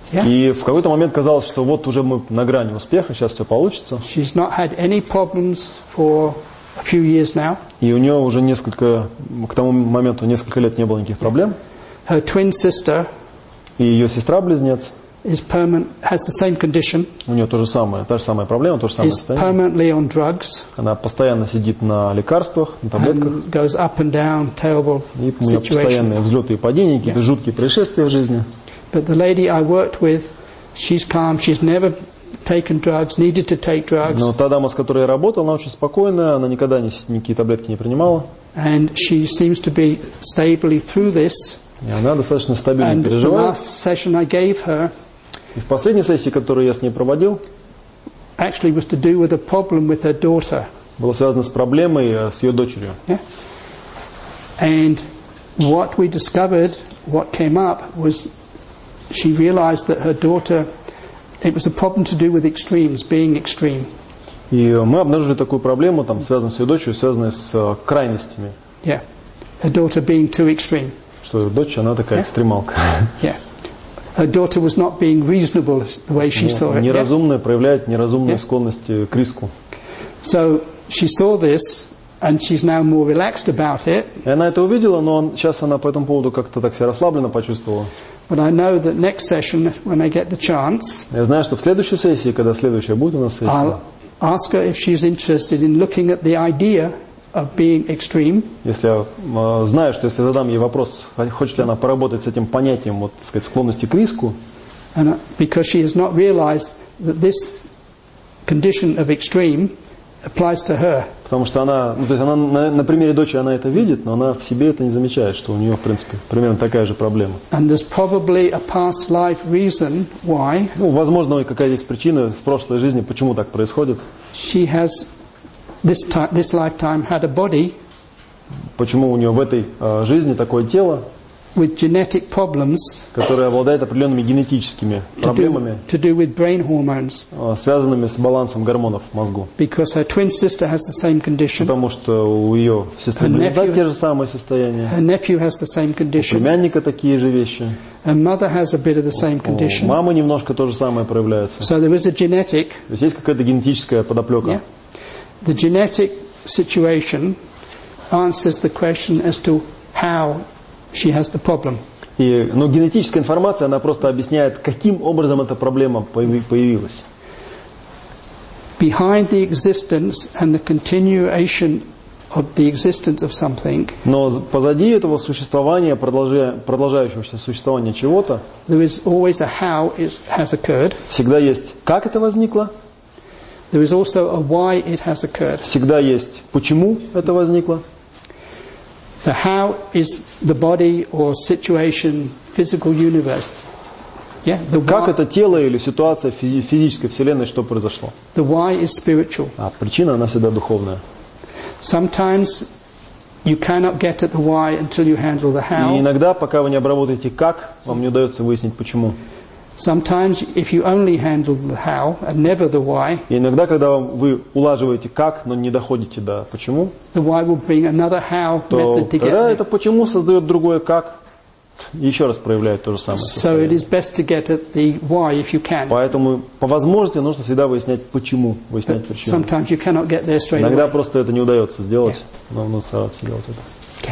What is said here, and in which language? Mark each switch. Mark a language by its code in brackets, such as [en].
[ru] И в какой-то момент казалось, что вот уже мы на грани успеха, сейчас все получится. [en] She's not had any problems for a few years now. [ru] И у нее уже несколько, к тому моменту несколько лет не было никаких проблем. [en] Her twin sister. [ru] И ее сестра-близнец. [en] Is permanent, has the same condition. [ru] У нее то же самое, та же самая проблема, то же самое состояние. [en] Is permanently on drugs. [ru] Она постоянно сидит на лекарствах, на таблетках. [en] And goes up and down, terrible situation. [ru] И у нее постоянные взлеты и падения, какие-то жуткие происшествия в жизни. [en] But the lady I worked with, she's calm, she's never taken drugs, needed to take drugs. [ru] Но та дама, с которой я работал, она очень спокойная, она никогда никакие таблетки не принимала. [en] And she seems to be stably through this. [ru] И она достаточно стабильно [en] and [ru] переживает. [en] The last session I gave her, [ru] и в последней сессии, которую я с ней проводил, [en] actually was to do with a problem with her daughter. [ru] Было связано с проблемой с ее дочерью. [en] Yeah. And what we discovered, what came up, was she realized that her daughter It was a problem to do with extremes, being extreme. [ru] И мы обнаружили такую проблему, там, связанную с ее дочерью, связанную с крайностями. [en] Yeah. Her daughter being too extreme. [ru] Что ее дочь, она такая экстремалка. [en] Yeah. Her daughter was not being reasonable the way she saw it. [ru] Неразумная, проявляет неразумные склонности к риску. [en] So she saw this, and she's now more relaxed about it. [ru] И она это увидела, но сейчас она по этому поводу как-то так себя расслабленно почувствовала. [en] But I know that next session, when I get the chance, [ru] я знаю, что в следующей сессии, когда следующая будет у нас сессия, [en] I'll ask her if she's interested in looking at the idea of being extreme. [ru] Если я знаю, что если задам ей вопрос, хочет ли она поработать с этим понятием, вот, так сказать, склонности к риску, [en] and because she has not realized that this condition of extreme applies to her. [ru] Потому что она, ну, то есть она на примере дочери она это видит, но она в себе это не замечает, что у нее, в принципе, примерно такая же проблема. [en] And there's probably a past life reason why. [ru] Ну, возможно, какая есть причина в прошлой жизни, почему так происходит. [en] She has this lifetime had a body. [ru] Почему у нее в этой жизни такое тело? [en] With genetic problems. [ru] Которое обладает определенными генетическими проблемами. [en] To do with brain hormones. [ru] Связанными с балансом гормонов в мозгу. [en] Because her twin sister has the same condition. [ru] Потому что у ее сестры-близнецы те же самые состояния. [en] Her nephew has the same condition. [ru] У племянника такие же вещи. [en] Her mother has a bit of the same condition. [ru] У мамы немножко то же самое проявляется. [en] So there is a genetic. [ru] То есть какая-то генетическая подоплека. [en] Yeah. The genetic situation answers the question as to how she has the problem. [ru] И, но генетическая информация, она просто объясняет, каким образом эта проблема появилась. [en] Behind the existence and the continuation of the existence of something. [ru] Но позади этого существования, продолжающегося существования чего-то. [en] There is always a how it has occurred. [ru] Всегда есть, как это возникло. [en] There is also a why it has occurred. [ru] Всегда есть, почему это возникло. [en] The how is the body or situation, physical universe. Yeah, the why. [ru] Как это тело или ситуация физической вселенной, что произошло? [en] The why is spiritual. [ru] А причина, она всегда духовная. [en] Sometimes you cannot get at the why until you handle the how. [ru] И иногда, пока вы не обработаете как, вам не удается выяснить почему. [en] Sometimes, if you only handle the how and never the why, [ru] иногда, когда вы улаживаете как, но не доходите до почему, [en] the why will bring another how [ru] то [en] method to get. [ru] Тогда это почему создает другое как, еще раз проявляет то же самое. [en] So [ru] состояние. [en] It is best to get at the why if you can. [ru] Поэтому по возможности нужно всегда выяснять почему, выяснять But причину. [en] Sometimes you cannot get there straight. [ru] Иногда [en] away. [ru] Просто это не удается сделать, но нужно стараться делать это.